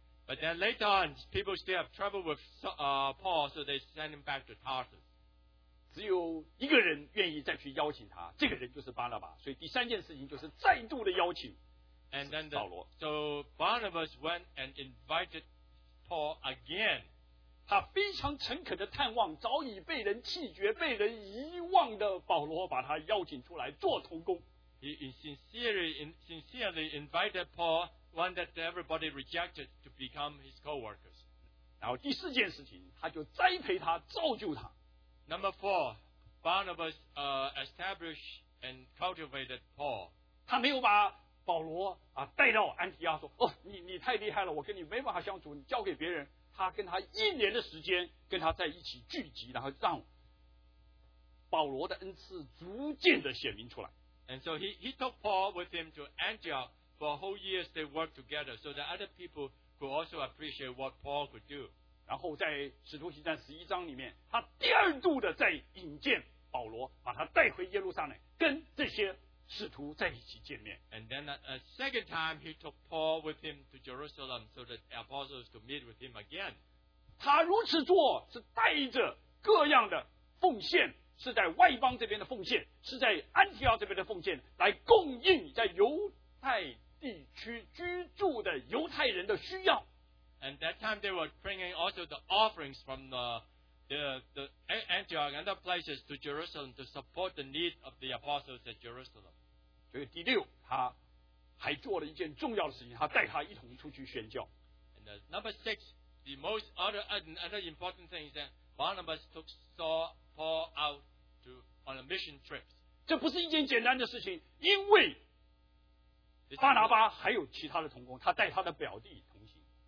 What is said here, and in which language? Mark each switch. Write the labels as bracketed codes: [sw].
[en] But then later on, people still have trouble with Paul, so they send him back to Tarsus. [zh] 只有一个人愿意再去邀请他，这个人就是巴拿巴。所以第三件事情就是再度的邀请。 [en] And then [zh] the, 保罗。 [en] So Barnabas went and invited Paul again. [zh] 他非常诚恳的探望早已被人弃绝、被人遗忘的保罗，把他邀请出来做同工。 [en] He sincerely invited Paul, one that everybody rejected, to become his co-workers. [zh] 然后第四件事情，他就栽培他，造就他。 [en] Number four, Barnabas established and cultivated Paul. [zh] 他没有把保罗带到安提阿说，你太厉害了，我跟你没办法相处，你交给别人。他跟他一年的时间，跟他在一起聚集，然后让保罗的恩赐逐渐的显明出来。 [en] And so he took Paul with him to Antioch for a whole year. They worked together so that other people could also appreciate what Paul could do. [zh] 然后在《使徒行传》十一章里面，他第二度的再引荐保罗，把他带回耶路撒冷，跟这些使徒在一起见面。 [en] And then a second time he took Paul with him to Jerusalem so that apostles could meet with him again. [zh] 他如此做是带着各样的奉献。是在外邦这边的奉献，是在安提阿这边的奉献，来供应在犹太地区居住的犹太人的需要。 [en] And that time they were bringing also the offerings from the Antioch and other places to Jerusalem to support the need of the apostles at Jerusalem. [zh] 所以第六，他还做了一件重要的事情，他带他一同出去宣教。 [en] And number six, the most other important thing is that Barnabas took Saul. Paul out to on a mission trip. [zh] 这不是一件简单的事情，因为巴拿巴还有其他的同工，他带他的表弟同行。